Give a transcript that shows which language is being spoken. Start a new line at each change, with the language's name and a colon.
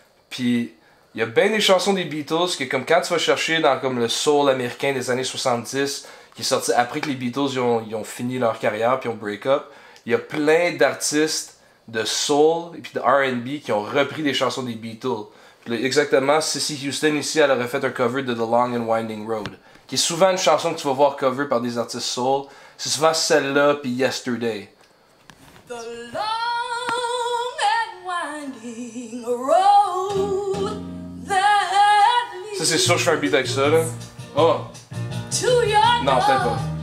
French: puis il y a bien des chansons des Beatles que, comme quand tu vas chercher dans comme le soul américain des années 70, qui est sorti après que les Beatles, ils ont fini leur carrière, puis ont break up, il y a plein d'artistes de soul, et puis de R&B, qui ont repris des chansons des Beatles. Exactement, Sissy Houston ici, elle aurait fait un cover de The Long and Winding Road, qui est souvent une chanson que tu vas voir cover par des artistes soul. C'est souvent celle-là puis Yesterday.
English: The long and winding road that leads.
French: Ça, c'est sûr que je fais un beat avec ça, là. Oh! To your non, peut-être pas.